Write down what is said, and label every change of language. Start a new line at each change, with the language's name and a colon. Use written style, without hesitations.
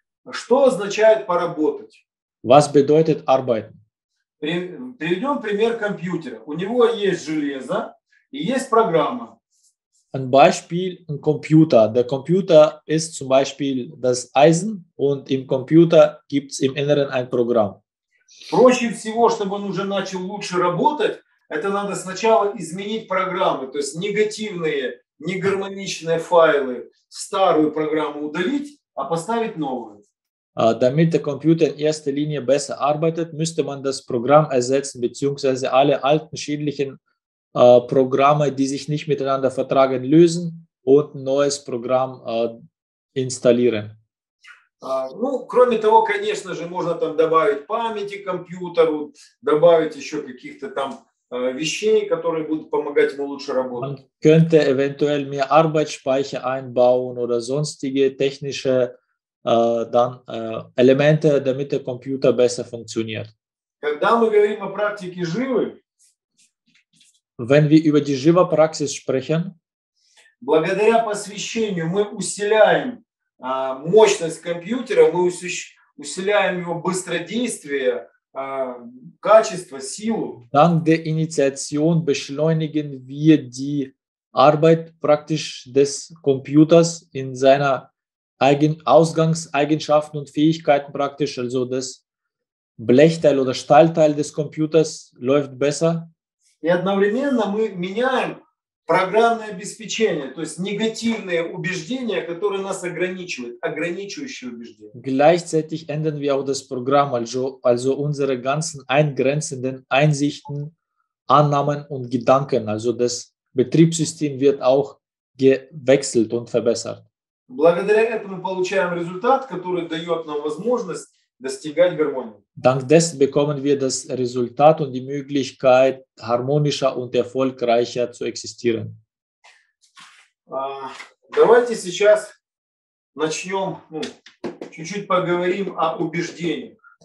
Russian: Что означает поработать?
German: Was bedeutet arbeiten?
Russian: Приведем пример компьютера. У него есть железо и есть программа.
German: Ein Beispiel, ein Computer. Der Computer ist zum Beispiel das Eisen und im Computer gibt es im Inneren ein Programm.
Russian: Проще всего, чтобы он уже начал лучше работать, это надо сначала изменить программы, то есть негативные, негармоничные файлы, старую программу удалить, а поставить новую.
German: Damit der Computer in erster Linie besser arbeitet, müsste man das Programm ersetzen, beziehungsweise alle alten schädlichen Programme, die sich nicht miteinander vertragen, lösen und ein neues Programm installieren.
Russian: Ну, кроме того, конечно же, можно там добавить памяти компьютеру, добавить еще каких-то там вещей, которые будут помогать ему лучше работать.
German: Man könnte eventuell mehr Arbeitsspeicher einbauen oder sonstige technische Elemente, damit der Computer besser funktioniert.
Russian: Когда мы говорим о практике живы,
German: wenn wir über die Jiva-Praxis sprechen,
Russian: благодаря посвящению мы усиливаем мощность компьютера, мы усиливаем его быстродействие, качество, силу.
German: Dank der Initiation beschleunigen wir die Arbeit praktisch des Computers in seiner Ausgangseigenschaften und Fähigkeiten praktisch, also das Blechteil oder Stahlteil des Computers läuft besser.
Russian: И одновременно мы меняем программное обеспечение, то есть негативные убеждения, которые нас ограничивают, ограничивающие убеждения.
German: Gleichzeitig ändern wir auch das Programm, also unsere ganzen eingrenzenden Einsichten, Annahmen und Gedanken. Also das Betriebssystem wird auch gewechselt und verbessert.
Russian: Благодаря этому получаем результат, который дает нам возможность достигать гармонии.
German: Dank dessen bekommen wir das Resultat und die Möglichkeit, harmonischer und erfolgreicher zu existieren.
Russian: Давайте сейчас начнем, чуть-чуть поговорим о убеждениях.